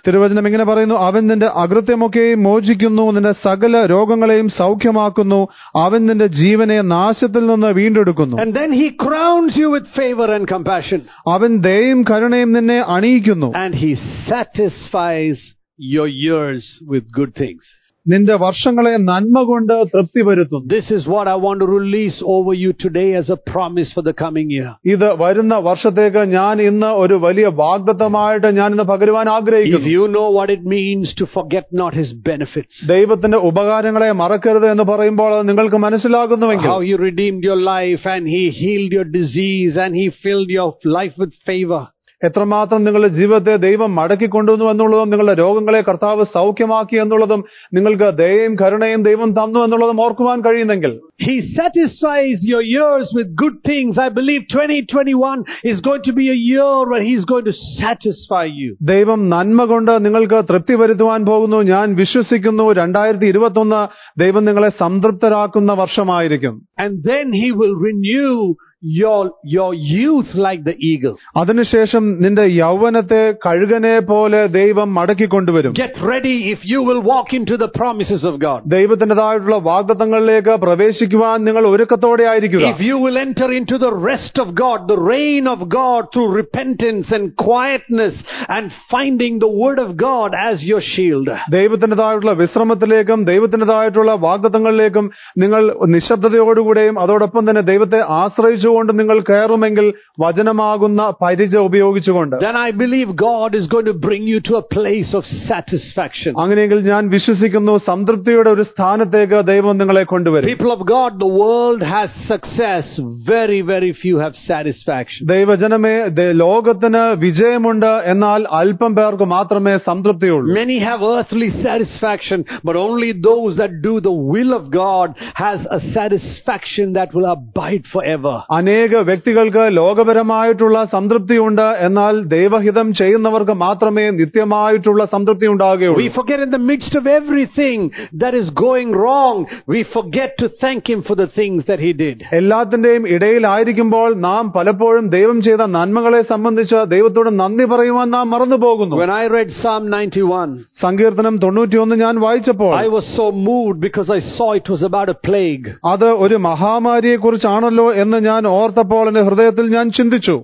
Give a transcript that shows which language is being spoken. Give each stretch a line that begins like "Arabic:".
Malayalam: തിരുവചനം ഇങ്ങനെ പറയുന്നു, അവൻ നിന്റെ അകൃത്യമൊക്കെയും മോചിക്കുന്നു, നിന്റെ സകല രോഗങ്ങളെയും സൗഖ്യമാക്കുന്നു, അവൻ നിന്റെ ജീവനെ നാശത്തിൽ നിന്ന് വീണ്ടെടുക്കുന്നു.
English: and then he crowns you with favour and compassion,
Malayalam: അവൻ ദയയും കരുണയും നിന്നെ അണിയിക്കുന്നു.
English: And he satisfies your years with good things.
Malayalam: നിന്റെ വർഷങ്ങളെ നന്മ കൊണ്ട് തൃപ്തി വരുത്തും.
English: This is what I want to release over you today as a promise for the coming year.
Malayalam: ഇത് വരുന്ന വർഷത്തേക്ക് ഞാൻ ഇന്ന് ഒരു വലിയ വാഗ്ദത്തമായിട്ട് ഞാൻ ഇന്ന് പകരുവാൻ ആഗ്രഹിക്കുന്നു.
English: If you know what it means to forget not his benefits.
Malayalam: ദൈവത്തിന്റെ ഉപകാരങ്ങളെ മറക്കരുത് എന്ന് പറയുമ്പോൾ നിങ്ങൾക്ക് മനസ്സിലാകുന്നുവെങ്കിൽ,
English: how he redeemed your life and he healed your disease and he filled your life with favor.
Malayalam: എത്രമാത്രം നിങ്ങളുടെ ജീവിതത്തെ ദൈവം മടക്കിക്കൊണ്ടുവന്നു എന്നുള്ളതും നിങ്ങളുടെ രോഗങ്ങളെ കർത്താവ് സൗഖ്യമാക്കി എന്നുള്ളതും നിങ്ങൾക്ക് ദയയും കരുണയും ദൈവം തന്നു എന്നുള്ളതും ഓർക്കുവാൻ കഴിയുന്നെങ്കിൽ,
English: He satisfies your years with good things. I believe 2021 is going to be a year where he's going to satisfy you.
Malayalam: ദൈവം നന്മ കൊണ്ട് നിങ്ങൾക്ക് തൃപ്തി വരുത്തുവാൻ പോകുന്നു. ഞാൻ വിശ്വസിക്കുന്നു 2021 ദൈവം നിങ്ങളെ സംതൃപ്തരാക്കുന്ന വർഷമായിരിക്കും.
English: And then he will renew your youth like the eagle.
Malayalam: അതിനു ശേഷം നിന്റെ യൗവനത്തെ കഴുകനെ പോലെ ദൈവം മടക്കി കൊണ്ടുവരും.
English: Get ready if you will walk into the promises of God.
Malayalam: ദൈവത്തിന്റേതായിട്ടുള്ള വാഗ്ദത്തങ്ങളിലേക്ക് പ്രവേശിക്കുവാൻ നിങ്ങൾ ഒരുക്കത്തോടെ ആയിരിക്കുക.
English: If you will enter into the rest of God, the reign of God through repentance and quietness and finding the word of God as your shield.
Malayalam: ദൈവത്തിന്റേതായിട്ടുള്ള വിശ്രമത്തിലേക്കും ദൈവത്തിന്റേതായിട്ടുള്ള വാഗ്ദത്തങ്ങളിലേക്കും നിങ്ങൾ നിശബ്ദതയോടുകൂടെയും അതോടൊപ്പം തന്നെ ദൈവത്തെ ആശ്രയിച്ചുകൊണ്ട് നിങ്ങൾ കയറുമെങ്കിൽ വചനമാകുന്ന പരിച ഉപയോഗിച്ചുകൊണ്ട്,
English: Then I believe God is going to bring you to a place of satisfaction.
Malayalam: അങ്ങനെയെങ്കിൽ ഞാൻ വിശ്വസിക്കുന്നു സംതൃപ്തിയുടെ ഒരു സ്ഥാനത്തേക്ക് ദൈവം നിങ്ങളെ കൊണ്ടുവരും.
English: People of God, the world has success, very very few have satisfaction.
Malayalam: ദൈവജനമേ, ലോകത്തിന് വിജയമുണ്ട്, എന്നാൽ അല്പം പേർക്ക് മാത്രമേ സംതൃപ്തിയുള്ളൂ.
English: Many have earthly satisfaction, but only those that do the will of God has a satisfaction that will abide forever.
Malayalam: അനേക വ്യക്തികൾക്ക് ലോകപരമായിട്ടുള്ള സംതൃപ്തിയുണ്ട്, എന്നാൽ ദൈവഹിതം ചെയ്യുന്നവർക്ക് മാത്രമേ നിത്യമായിട്ടുള്ള സംതൃപ്തി ഉണ്ടാകുകയുള്ളൂ.
English: We forget in the midst of everything that is going wrong, we forget to thank him for the things that he did.
Malayalam: എല്ലാത്തിന്റെയും ഇടയിലായിരിക്കുമ്പോൾ നാം പലപ്പോഴും ദൈവം ചെയ്ത നന്മകളെ സംബന്ധിച്ച് ദൈവത്തോട് നന്ദി പറയുവാൻ നാം മറന്നു പോകുന്നു.
English: When I read Psalm 91,
Malayalam: സങ്കീർത്തനം 91 ഞാൻ വായിച്ചപ്പോൾ,
English: I was so moved because I saw it was about a plague.
Malayalam: അത് ഒരു മഹാമാരിയെ കുറിച്ചാണല്ലോ എന്ന് ഞാൻ ഓർത്തപ്പോൾ എന്റെ ഹൃദയത്തിൽ ഞാൻ ചിന്തിച്ചു.